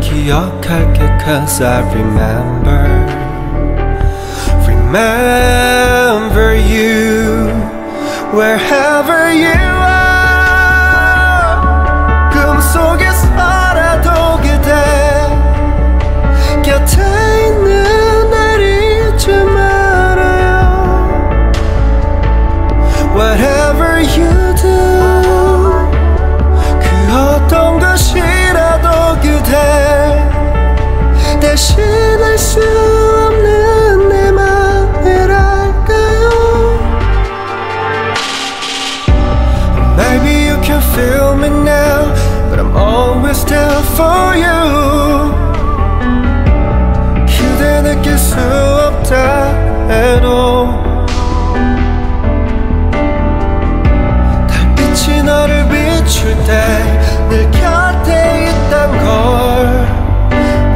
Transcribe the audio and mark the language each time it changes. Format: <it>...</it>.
<en>Cause I remember, remember you wherever you are.</en> <ko>꿈속에서라도 그대 곁에 있는 날 잊지 말아요.</ko> <en>Whatever you do,</en> <ko>그 어떤 것이라도 그대 대신할 수 없는 내 맘을 알까요?</ko> <en>Maybe you can feel me now, but I'm always there for you.</en> <ko>그대 느낄 수 없다 해도 달빛이 너를 비출 때 늘 곁에 있단 걸.</ko>